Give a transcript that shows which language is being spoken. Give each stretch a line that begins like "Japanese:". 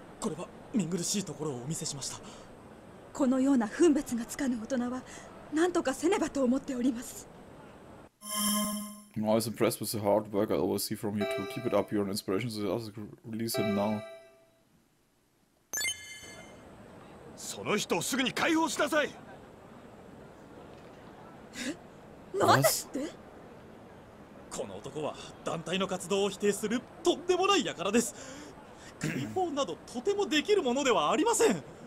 Japanese: これは見苦しいところをお見せしました。このような分別がつかぬ大人は何とかせねばと思っております。
English: I'm always impressed with the hard work I always see from you too. Keep it up, you're an inspiration to the others. Release him now.
Japanese: その人をすぐに解放しなさい。なんでって? この男は団体の活動を否定するとんでもない輩です。解放などとてもできるものではありません。